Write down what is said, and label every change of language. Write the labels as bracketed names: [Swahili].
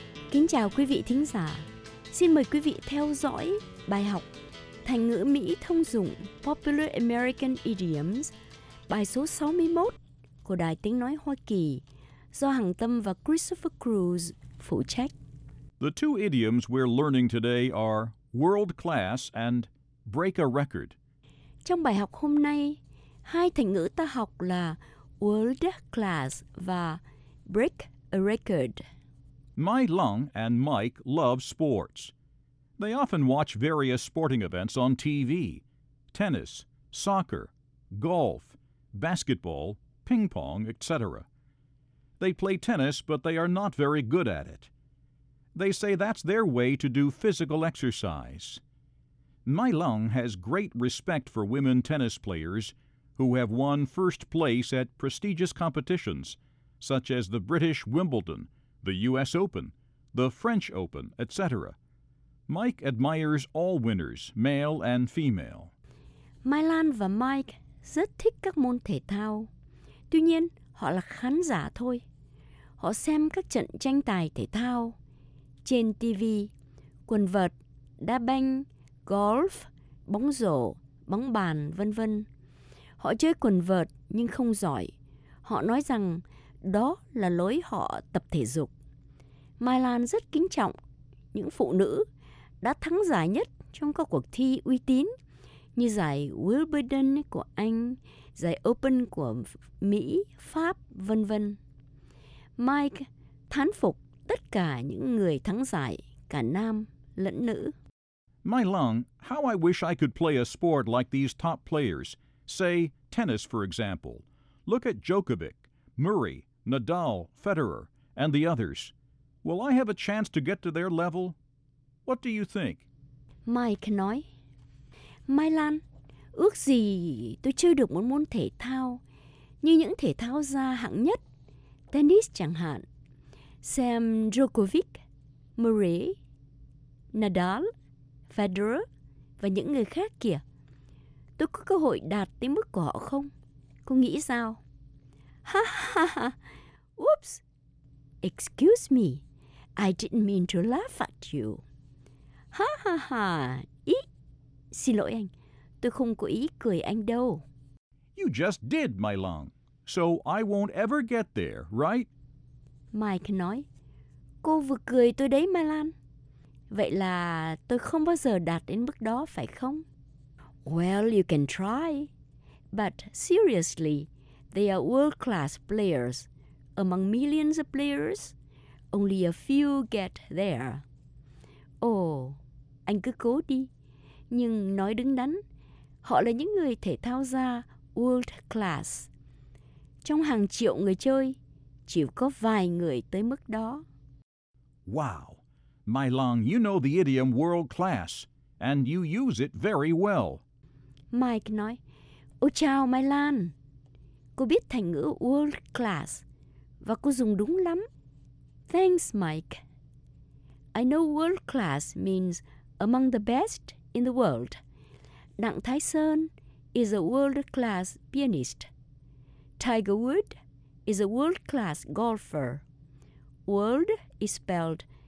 [Vietnamese] Kính chào quý vị thính giả. Xin mời quý vị theo dõi bài học thành ngữ Mỹ thông dụng [English] Popular American Idioms, [Vietnamese] bài số 61 của Đài Tiếng Nói Hoa Kỳ, do Hằng Tâm và Christopher Cruz phụ trách. [English] The two idioms we're learning today are world class and break a record. [Vietnamese] Trong bài học hôm nay, hai thành ngữ ta học là world class và [English] break a record. Mai Lung and Mike love sports. They often watch various sporting events on TV: tennis, soccer, golf, basketball, ping pong, etc. They play tennis, but they are not very good at it. They say that's their way to do physical exercise. Mai Lung has great respect for women tennis players who have won first place at prestigious competitions, such as the British Wimbledon, the U.S. Open, the French Open, etc. Mike admires all winners, male and female. [Vietnamese] Mai Lan và Mike rất thích các môn thể thao. Tuy nhiên, họ là khán giả thôi. Họ xem các trận tranh tài thể thao trên TV, quần vợt, đá banh, golf, bóng rổ, bóng bàn, v.v. Họ chơi quần vợt nhưng không giỏi. Họ nói rằng đó là lối họ tập thể dục. Mai Lan rất kính trọng những phụ nữ đã thắng giải nhất trong các cuộc thi uy tín như giải Wimbledon của Anh, giải Open của Mỹ, Pháp, v.v. Mike thán phục tất cả những người thắng giải, cả nam lẫn nữ. [English] Mai Lung, how I wish I could play a sport like these top players. Say, tennis, for example. Look at Djokovic, Murray, Nadal, Federer, and the others. Will I have a chance to get to their level? What do you think? [Vietnamese] Mike nói, Mai Lan, ước gì tôi chơi được một môn thể thao như những thể thao gia hạng nhất, tennis chẳng hạn, xem Djokovic, Murray, Nadal, Federer và những người khác kìa. Tôi có cơ hội đạt tới mức của họ không? Cô nghĩ sao? [English] Ha ha ha, oops, excuse me, I didn't mean to laugh at you. [Vietnamese] Ha ha ha, ý, xin lỗi anh, tôi không có ý cười anh đâu. [English] You just did, Mai Lung, so I won't ever get there, right? [Vietnamese] Mike nói, cô vừa cười tôi đấy, Mai Lan. Vậy là tôi không bao giờ đạt đến mức đó, phải không? [English] Well, you can try, but seriously, they are world-class players. Among millions of players, only a few get there. [Vietnamese] Oh, anh cứ cố đi. Nhưng nói đứng đắn, họ là những người thể thao gia world-class. Trong hàng triệu người chơi, chỉ có vài người tới mức đó. [English] Wow, Mai Lung, you know the idiom world-class, and you use it very well. [Vietnamese] Mike nói, ôi chào Mai Lan. Cô biết thành ngữ world class và cô dùng đúng lắm. [English] Thanks, Mike. I know world class means among the best in the world. Đặng Thái Sơn is a world class pianist. Tiger Woods is a world class golfer. World is spelled